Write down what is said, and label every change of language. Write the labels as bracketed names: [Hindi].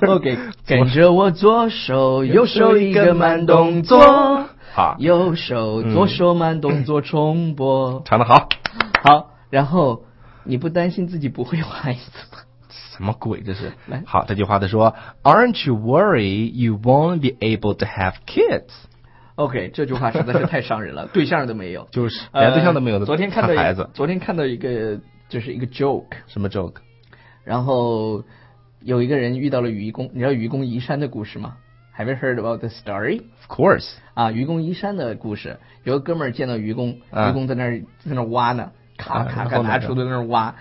[Chinese] OK 跟着我左手右手一个慢动作好右手左手慢动作重播唱得好好然后你不担心自己不会画一次吗什么鬼这是来好这句话的说 [English] Aren't you worried you won't be able to have kids [Chinese] OK 这句话实在是太伤人了对象都没有就是连对象都没有的、昨天看到一个就是一个 joke 什么 joke 然后有一个人遇到了愚公，你知道愚公移山的故事吗 ？ [English] Have you heard about the story? Of course. [Chinese] 啊，愚公移山的故事，有个哥们儿见到愚公，愚公在那儿挖呢，咔咔咔拿锄头在那儿挖。